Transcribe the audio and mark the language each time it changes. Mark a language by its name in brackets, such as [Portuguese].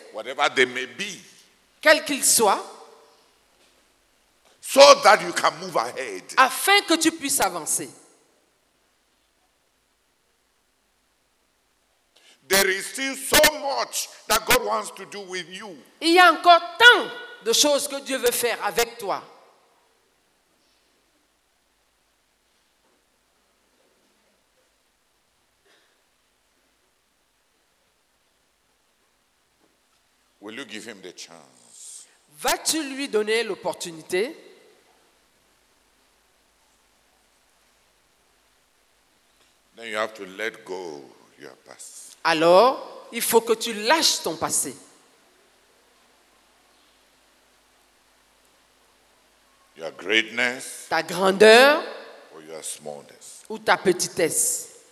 [English] Whatever they may be. [French] Quel qu'il soit. [English] So that you can move ahead. [French] Afin que tu puisses avancer. [English] There is still so much that God wants to do with you. [French] Il y a encore tant de choses que Dieu veut faire avec toi. [English] Will you give him the chance? [French] Vas-tu lui donner l'opportunité? [English] Then you have to let go your past. [French] Alors, il faut que tu lâches ton passé. [English] Your greatness, [French] ta grandeur [English] or your smallness. [French] Ou ta petitesse.